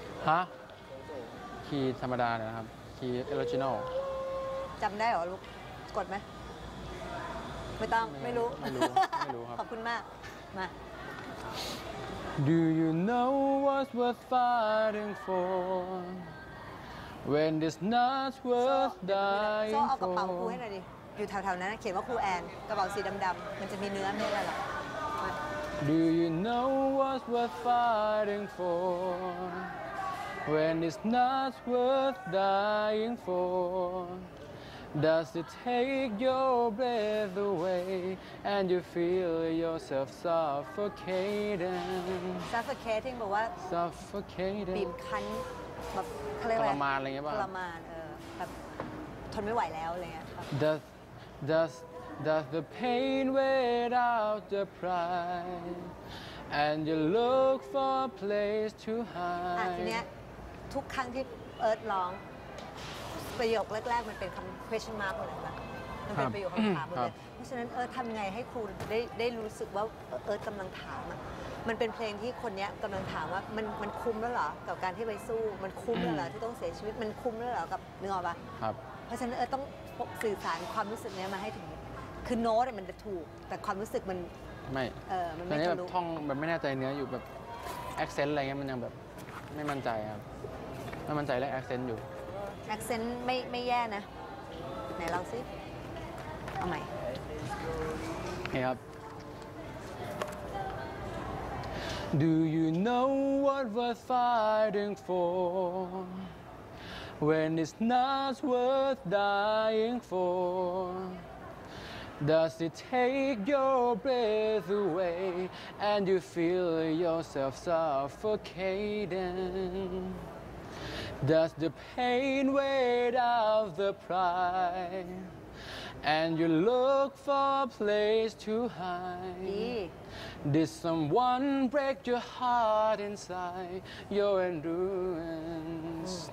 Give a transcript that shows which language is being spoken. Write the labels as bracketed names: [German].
[Thai] ฮะคีย์ธรรมดาเนี่ยครับคีย์ออริจินอล จำได้เหรอลูกกดไหมไม่ต้องไม่รู้ ขอบคุณมากมา [English] Do you know what's worth fighting for when it's not worth dying for [Thai] โซ่เอากระเป๋าครูให้หน่อยดิอยู่แถวๆนั้นเขียนว่าครูแอนกระเป๋าสีดำๆมันจะมีเนื้อไม่ได้หรอก [English] Do you know what's worth fighting for when it's not worth dying forDoes it take your breath away and you feel yourself suffocating [Thai] บอกว่า [English] suffocating [Thai] บีบคั้นแบบเรียกว่ าทรมานอะไรเงี้ยป่ะ ทรมานแบบทนไม่ไหวแล้วอะไรเงี้ย [English] Does the pain wear out the pride and you look for a place to hide [Thai] อ่ะทีเนี้ยทุกครั้งที่เอิร์ทร้องประโยคแรกๆมันเป็นคำ question mark หมดเลยค่ะมันเป็นประโยคคำถามหมดเลยเพราะฉะนั้นทำไงให้ครูได้รู้สึกว่าเอิร์ธกำลังถามอ่ะมันเป็นเพลงที่คนนี้กำลังถามว่ามันคุ้มแล้วเหรอกับการที่ไปสู้มันคุ้มแล้วเหรอที่ต้องเสียชีวิตมันคุ้มแล้วเหรอกับเนื้อปะ ครับ เพราะฉะนั้นต้องสื่อสารความรู้สึกนี้มาให้ถึงคือโน้ตมันจะถูกแต่ความรู้สึกมัน ไม่มันไม่ ถูกแบบท่องแบบไม่แน่ใจเนื้ออยู่แบบ accent อะไรเงี้ยมันยังแบบไม่มั่นใจครับไม่มั่นใจเลย accent อยู่ accent ไม่แย่นะไหนลองซิเอาใหม่ นี่ครับ [English] Do you know what worth fighting for when it's not worth dying for Does it take your breath away and you feel yourself suffocatingDoes the pain weigh out the pride and you look for a place to hide Did someone break your heart inside your endurance